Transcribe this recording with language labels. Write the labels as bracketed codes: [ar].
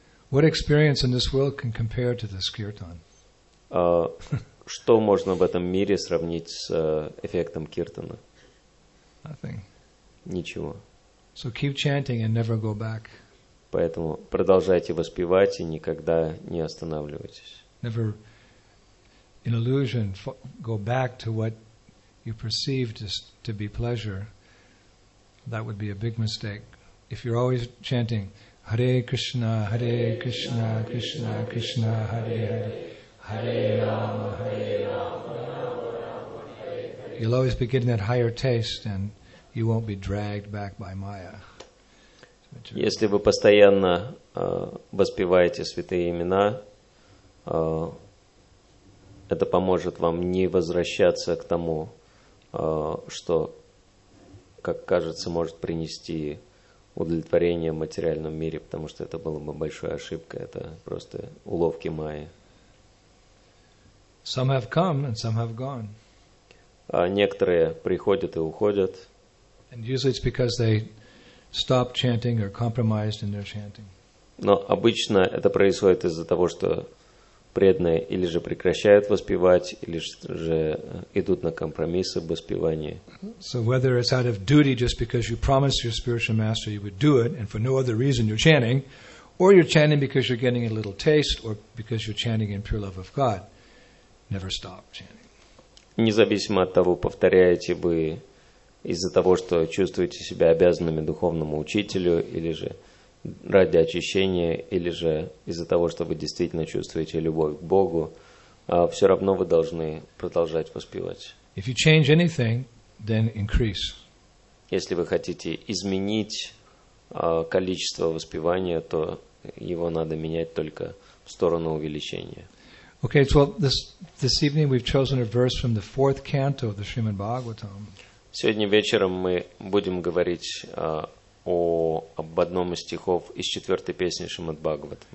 [en] What experience in this world can compare to this kirtan? [ru] Что можно в этом мире сравнить с эффектом киртана? [en] Nothing. [ru] Ничего. [en] So keep chanting and never go back. [ru] Поэтому продолжайте воспевать и никогда не останавливайтесь. [en] Never, in illusion, go back to what you perceived as to be pleasure. That would be a big mistake. If you're always chanting, Hare Krishna, Hare Krishna, Krishna Krishna, Hare Hare, Hare Rama, Hare Rama, you'll always be getting that higher taste, and you won't be dragged back by Maya. [ru] Если вы постоянно воспеваете святые имена, это поможет вам не возвращаться к тому, что, как кажется, может принести удовлетворение в материальном мире, потому что это было бы большой ошибкой. Это просто уловки Майи. [en] Some have come and some have gone. [ru] А некоторые приходят и уходят. [en] And usually it's because they stop chanting or compromised in their chanting. [ru] Но обычно это происходит из-за того, что преданные или же прекращают воспевать, или же идут на компромиссы в воспевании. [en] So whether it's out of duty, just because you promised your spiritual master you would do it, and for no other reason you're chanting, or you're chanting because you're getting a little taste, or because you're chanting in pure love of God, never stop chanting. [ru] Независимо от того, повторяете вы из-за того, что чувствуете себя обязанными духовному учителю, или же ради очищения, или же из-за того, что вы действительно чувствуете любовь к Богу, все равно вы должны продолжать воспевать. [en] If you change anything, then increase. [ru] Если вы хотите изменить количество воспевания, то его надо менять только в сторону увеличения. [en] Okay, so this evening we've chosen a verse from the fourth canto of the Srimad Bhagavatam. [ru] Сегодня вечером мы будем говорить об одном из стихов из четвертой песни Шримад Бхагаватам.